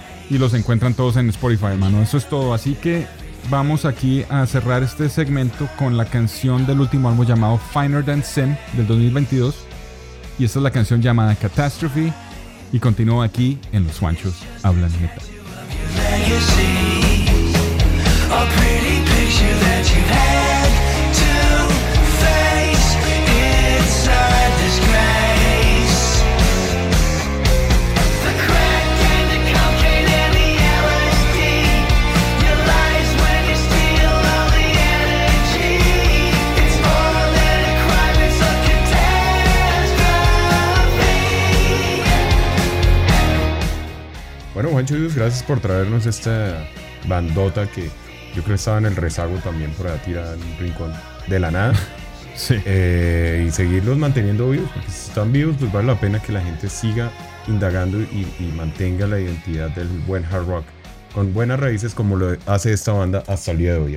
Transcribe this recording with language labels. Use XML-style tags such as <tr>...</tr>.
<es>Y los encuentran todos en Spotify, hermano. Eso es todo. Así que vamos aquí a cerrar este segmento con la canción del último álbum llamado Finer Than Sin del 2022. Y esta es la canción llamada Catastrophe. Y continúo aquí en Los Juanchos Hablan Metal.</es> <en>Legacy, a pretty picture that you've had to face inside this grace. The crack and the cocaine and the LSD. Your lies when you steal all the energy. It's more than a crime, it's a catastrophe.</en> <es>Bueno, Juancho, gracias por traernos esta bandota que yo creo que estaba en el rezago también por la tira en un rincón de la nada. Sí. Y seguirlos manteniendo vivos, porque si están vivos, pues vale la pena que la gente siga indagando y mantenga la identidad del buen hard rock con buenas raíces, como lo hace esta banda hasta el día de hoy.</es>